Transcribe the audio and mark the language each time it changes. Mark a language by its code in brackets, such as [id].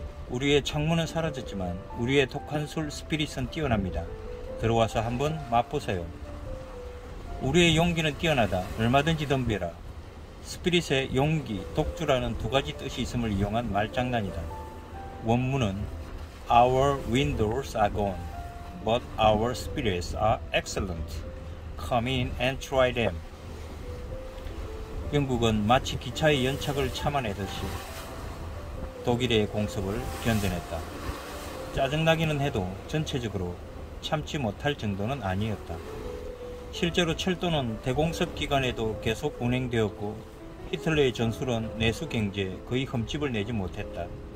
[ko] 우리의 창문은 사라졌지만 우리의 독한 술 스피릿은 뛰어납니다. 들어와서 한번 맛보세요. 우리의 용기는 뛰어나다. 얼마든지 덤벼라. 스피릿의 용기, 독주라는 두 가지 뜻이 있음을 이용한 말장난이다. 원문은 [en] Our windows are gone, but our spirits are excellent. Come in and try them. [ko] 영국은 마치 기차의 연착을 참아내듯이 독일의 공습을 견뎌냈다. 짜증나기는 해도 전체적으로 참지 못할 정도는 아니었다. 실제로 철도는 대공습 기간에도 계속 운행되었고 히틀러의 전술은 내수 경제에 거의 흠집을 내지 못했다.